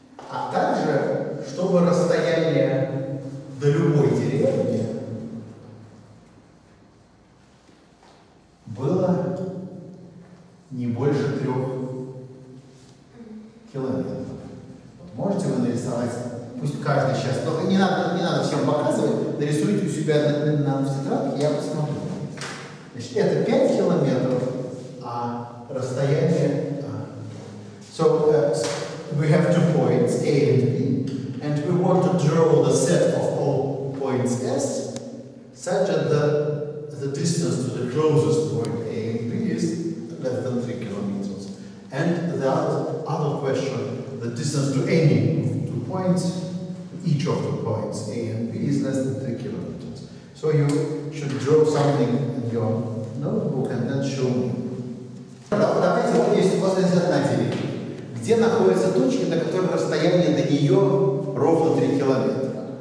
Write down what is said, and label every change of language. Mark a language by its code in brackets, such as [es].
[ru] А также, чтобы расстояние до любой деревни было не больше 3 километров. Вот можете вы нарисовать, пусть каждый сейчас, только не надо всем показывать, нарисуйте у себя на тетрадке, я посмотрю. Значит, это 5 километров, а расстояние... [en] So, we have 2 points, A and B, and we want to draw the set of all points S, such that the distance to the closest point A and B is less than 3 kilometers. And the other question, the distance to any of 2 points, each of the points A and B is less than 3 kilometers. So you should draw something in your notebook and then show me. [ru] Давайте вот есть возле одна деревня. Где находятся точки, на которых расстояние до нее ровно 3 километра?